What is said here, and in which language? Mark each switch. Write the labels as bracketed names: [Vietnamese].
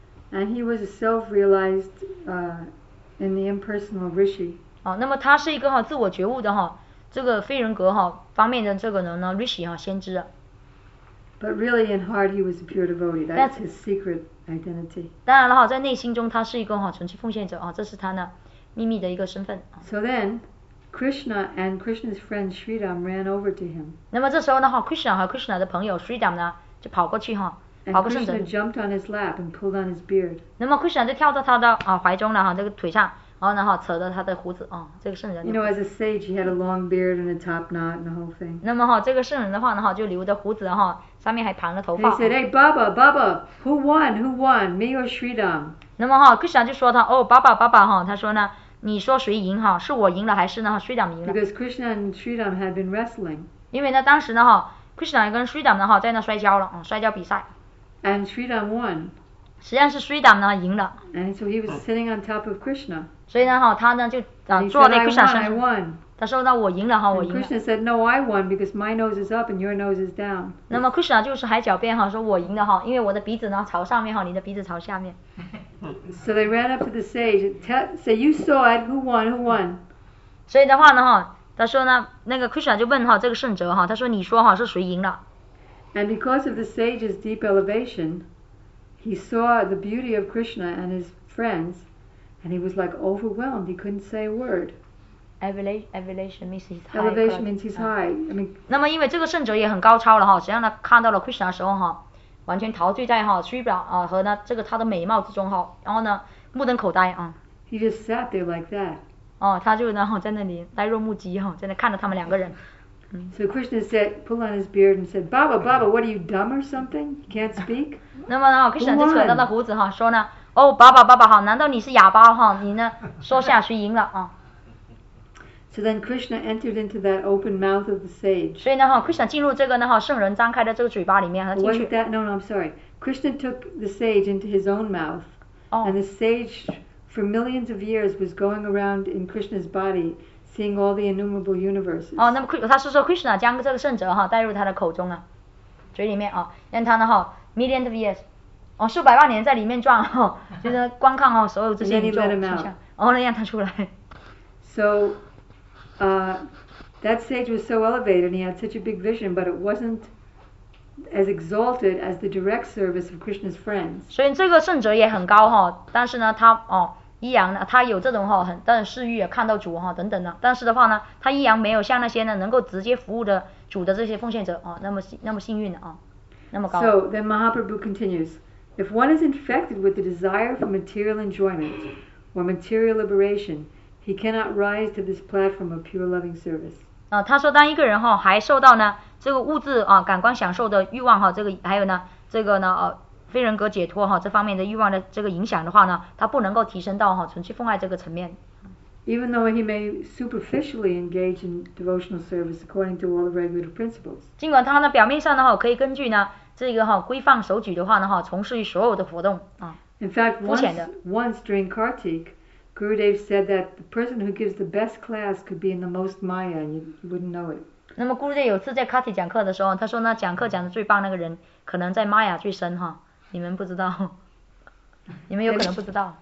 [English] And he was a self-realized, in the impersonal Rishi. [Chinese] 那么他是一个自我觉悟的这个非人格方面的这个人呢 ，Rishi 先知。 [English] But really in heart he was a pure devotee. That's his secret identity. [Chinese] 当然了在内心中他是一个纯粹奉献者这是他呢秘密的一个身份。 [English] So then. Krishna and Krishna's friend Sridham ran over to him. [Chinese] 那么这时候呢 ，Krishna 和 Krishna 的朋友 Sridham 呢就跑过去哈，跑过圣者。 [English] And Krishna jumped on his lap and pulled on his beard. [Chinese] 那么 Krishna 就跳到他的怀中了哈，这个腿上，然后呢扯着他的胡子啊，这个圣人。 [English] You know, as a sage, he had a long beard and a top knot and the whole thing. [Chinese] 那么这个圣人的话呢就留着胡子哈，上面还盘着头发。 [English] He said, "Hey, Baba, Baba, who won? Who won? Me or Sridham?" [Chinese] 那么Krishna 就说他哦，爸爸哈，他说呢。你说谁赢哈？是我赢了还是呢 ？Sridham 赢了。 [English] Because Krishna and Sridham had been wrestling. [Chinese] 因为呢，当时呢哈 ，Krishna 跟 Sridham 呢哈在那摔跤了，摔跤比赛。 [English] And Sridham won. [Chinese] 实际上是 Sridham 呢赢了。 [English] And so he was sitting on top of Krishna. [Chinese] 所以呢哈，他呢就坐在 Krishna 身上。他说呢，我赢了哈，我赢了。 [English] Krishna said, "No, I won because my nose is up and your nose is down." [Chinese] 那么 Krishna 就是还狡辩哈，说我赢了哈，因为我的鼻子呢朝上面哈，你的鼻子朝下面。 [English] So they ran up to the sage, say, "You saw it. Who won? Who won?" [Chinese] 所以的话呢哈，他说呢，那个 Krishna 就问哈这个圣哲哈，他说你说哈是谁赢了 [English] ？And because of the sage's deep elevation, he saw the beauty of Krishna and his friends, and he was like overwhelmed. He couldn't say a word. Elevation means he's high. Elevation means he's high. I mean. [Chinese] 那么因为这个圣哲也很高超了哈，实际上他看到了 Krishna 的时候哈。完全陶醉在哈虚表啊和呢这个他的美貌之中哈，然后呢目瞪口呆啊。 [English] He just sat there like that. [Chinese] 他就然后在那里呆若木鸡哈，在那看着他们两个人。 [English] So Krishna said, pull on his beard and said, "Baba, Baba, what are you dumb or something? You can't speak?" [Chinese] 那么呢 ，Krishna 就扯到了胡子哈，说呢，哦，爸爸哈，难道你是哑巴哈？你呢说下谁赢了啊？ [English] So then Krishna entered into that open mouth of the sage. [Chinese] 所以呢哈 ，Krishna 进入这个呢哈圣人张开的这个嘴巴里面哈进去。 [English] Was that? No, I'm sorry. Krishna took the sage into his own mouth. Oh. And the sage, for millions of years, was going around in Krishna's body, seeing all the innumerable universes. [Chinese] 那么他是说 Krishna 将这个圣哲哈带入他的口中啊，嘴里面啊，让他呢哈 [English] millions of years, [Chinese] 数百万年在里面转哈，就是观看哈所有这些宇宙现象，然后呢让他出来。 [English] So. That sage was so elevated, and he had such a big vision, but it wasn't as exalted as the direct service of Krishna's friends. [Chinese] 所以这个圣哲也很高哈，但是呢，他依然呢，他有这种哈很但是视野看到主哈等等的，但是的话呢，他依然没有像那些呢能够直接服务的主的这些奉献者那么幸运的那么高。 [English] So then Mahaprabhu continues, if one is infected with the desire for material enjoyment or material liberation. He cannot rise to this platform of pure loving service. [Chinese] 他说当一个人哈还受到呢这个物质感官享受的欲望哈这个还有呢这个呢非人格解脱哈这方面的欲望的这个影响的话呢，他不能够提升到哈纯粹奉爱这个层面。 [English] Even though he may superficially engage in devotional service according to all the regulative principles. [Chinese] 尽管他呢表面上呢可以根据呢这个哈规范手举的话呢从事于所有的活动 [English] In fact, once during Kartik. Gurudev said that the person who gives the best class could be in the most Maya, and you wouldn't know it. [Chinese] 那么 Gurudev 有次在 Kati 讲课的时候，他说呢，讲课讲的最棒那个人，可能在 Maya 最深哈，你们不知道，你们有可能不知道。